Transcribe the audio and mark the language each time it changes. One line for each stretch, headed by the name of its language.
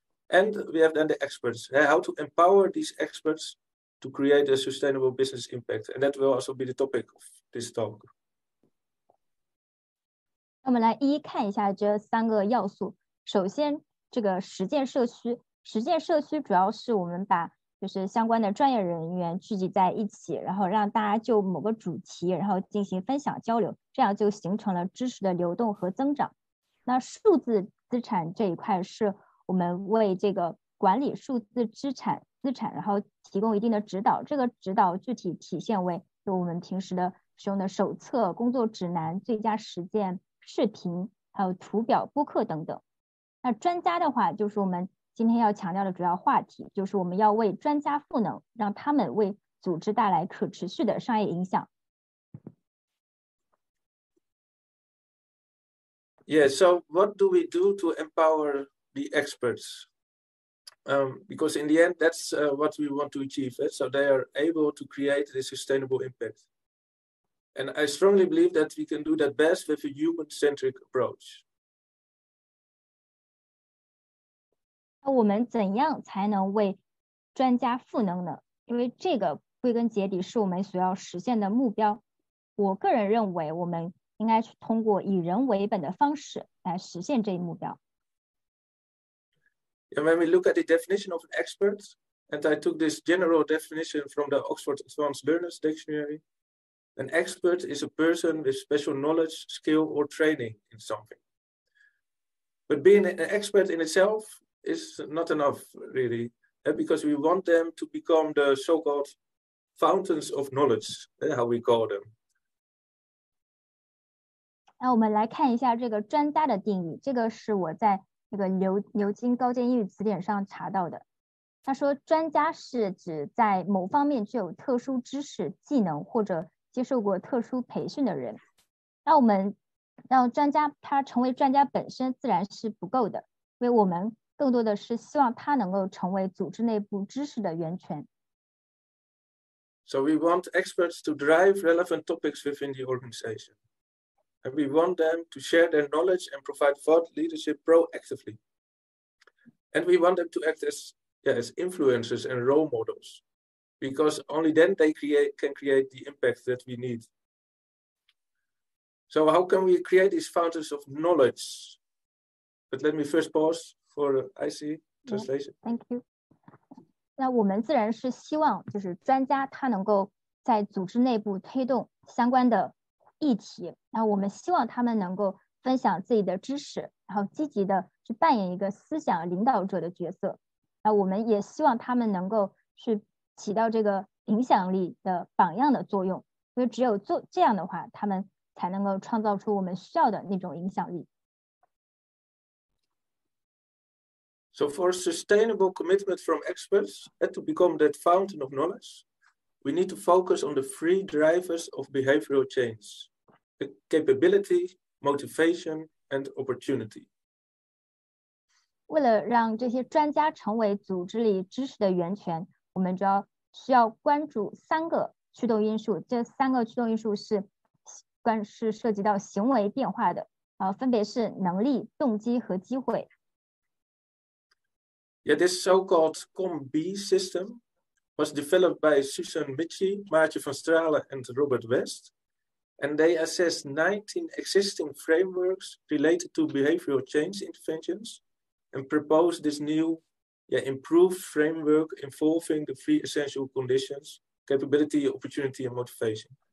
English: And we have then the experts, how to empower these experts to create a sustainable business impact. And that will also be the topic of this talk.
Chinese: 我们来一一看一下这三个要素。首先，这个实践社区，实践社区主要是我们把就是相关的专业人员聚集在一起，然后让大家就某个主题，然后进行分享交流，这样就形成了知识的流动和增长。那数字资产这一块是我们为这个管理数字资产然后提供一定的指导，这个指导具体体现为就我们平时的使用的手册、工作指南、最佳实践视频、还有图表、播客等等。那专家的话就是我们今天要强调的主要话题，就是我们要为专家赋能，让他们为组织带来可持续的商业影响。
English: Yeah, so what do we do to empower the experts? Because in the end, that's what we want to achieve. Right? So they are able to create the sustainable impact. And I strongly believe that we can do that best with a human-centric approach.
Chinese: 那我们怎样才能为专家赋能呢？因为这个归根结底是我们所要实现的目标。我个人认为我们应该去通过以人为本的方式来实现这一目标。
English: And when we look at the definition of an expert, and I took this general definition from the Oxford Advanced Learner's Dictionary, an expert is a person with special knowledge, skill, or training in something. But being an expert in itself is not enough, really, because we want them to become the so-called fountains of knowledge, how we call them.
Chinese: 那我们来看一下这个专家的定义，这个是我在那个牛津高阶英语词典上查到的。他说，专家是指在某方面具有特殊知识、技能或者接受过特殊培训的人。那我们让专家他成为专家本身自然是不够的，因为我们更多的是希望他能够成为组织内部知识的源泉。
English: So we want experts to drive relevant topics within the organization. And we want them to share their knowledge and provide thought leadership proactively. And we want them to act as influencers and role models, because only then they can create the impact that we need. So how can we create these fountains of knowledge? But let me first pause for IC translation. Yeah, thank you.
Chinese: 那我们自然是希望就是专家他能够在组织内部推动相关的议题，然后我们希望他们能够分享自己的知识，然后积极的去扮演一个思想领导者的角色。然后我们也希望他们能够去起到这个影响力的榜样的作用，因为只有做这样的话，他们才能够创造出我们需要的那种影响力。
English: So for sustainable commitment from experts and to become that fountain of knowledge. We need to focus on the three drivers of behavioral change, capability, motivation, and opportunity.
Chinese: 为了让这些专家成为组织里知识的源泉，我们需要关注三个驱动因素。这三个驱动因素是涉及到行为变化的，分别是能力、动机和机会。
English: Yeah, this so-called COMB system,was developed by Susan Michie, Maartje van Stralen, and Robert West. And they assessed 19 existing frameworks related to behavioral change interventions and proposed this new, improved framework involving the three essential conditions, capability, opportunity, and motivation.